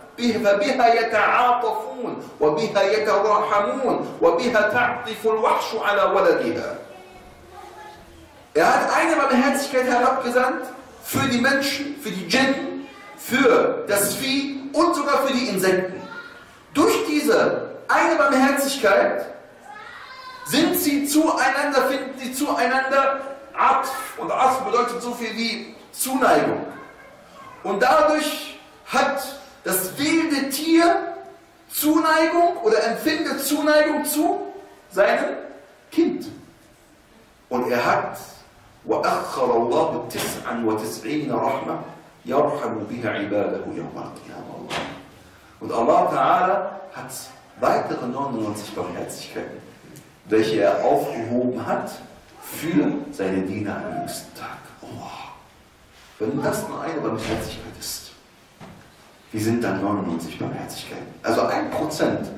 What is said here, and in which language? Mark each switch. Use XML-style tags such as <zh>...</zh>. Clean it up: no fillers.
<ar>فبها يتعاطفون وبها يتراحمون وبها تعطف الوحش على ولدها.</ar> <de>Er hat eine Barmherzigkeit herabgesandt für die Menschen, für die Djinn, für das Vieh und sogar für die Insekten. Durch diese eine Barmherzigkeit sind sie zueinander, finden sie zueinander Atf. Und Atf bedeutet so viel wie Zuneigung. Und dadurch hat das wilde Tier Zuneigung oder empfindet Zuneigung zu seinem Kind. Und er hat</de> <ar>وَأَخَّرَ اللَّهُ تِسْعًا وَتِسْعِينَ رَحْمَةً يَرْحَمُ بِهَ عِبَادَهُ يَوْمَ الْقِيَامَ اللَّهُ.</ar> <de>Und Allah Ta'ala hat weitere 99 Barmherzigkeiten, welche er aufgehoben hat für seine Diener am jüngsten Tag. Oh, wenn das nur eine Barmherzigkeit ist, wie sind dann 99 Barmherzigkeiten? Also 1%.</de>